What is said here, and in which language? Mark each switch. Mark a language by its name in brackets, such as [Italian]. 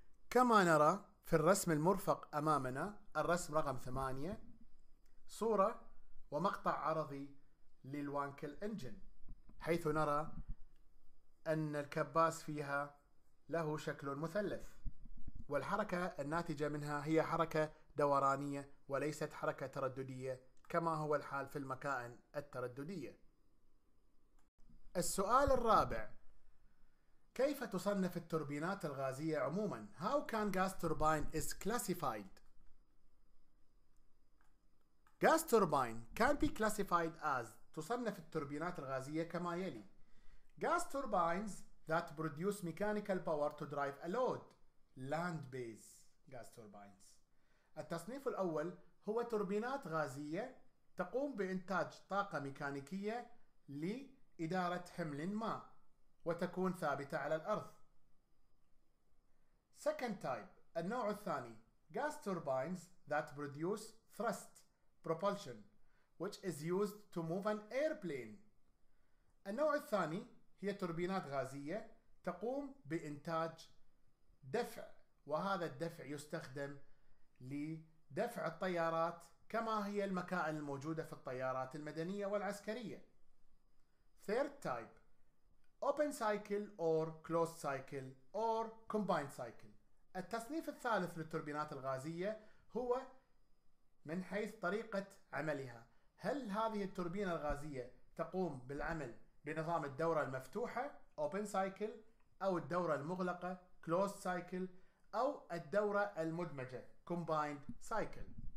[Arabic] كما نرى في الرسم المرفق أمامنا، الرسم رقم 8، صورة ومقطع عرضي للوانكل انجن، حيث نرى أن الكباس فيها له شكل مثلث، والحركة الناتجة منها هي حركة دورانية وليست حركة ترددية كما هو الحال في المكائن الترددية. السؤال الرابع: كيف تصنف التوربينات الغازية عموما؟ [English] How can gas turbine is classified? Gas turbine can be classified as [Arabic] تصنف التوربينات الغازية كما يلي: [English] Gas turbines that produce mechanical power to drive a load, land-based gas turbines. [Arabic] التصنيف الأول هو توربينات غازية تقوم بإنتاج طاقة ميكانيكية لإدارة حمل ما وتكون ثابتة على الأرض. [English] Second type, [Arabic] النوع الثاني: [English] Gas turbines that produce thrust propulsion, which is used to move an airplane. [Arabic] النوع الثاني هي توربينات غازية تقوم بإنتاج دفع، وهذا الدفع يستخدم لدفع الطيارات كما هي المكائن الموجودة في الطيارات المدنية والعسكرية. [English] Third type, open cycle or closed cycle or combined cycle. [Arabic] التصنيف الثالث للتوربينات الغازية هو من حيث طريقة عملها. هل هذه التوربينة الغازية تقوم بالعمل بنظام الدورة المفتوحة open cycle أو الدورة المغلقة closed cycle أو الدورة المدمجة combined cycle؟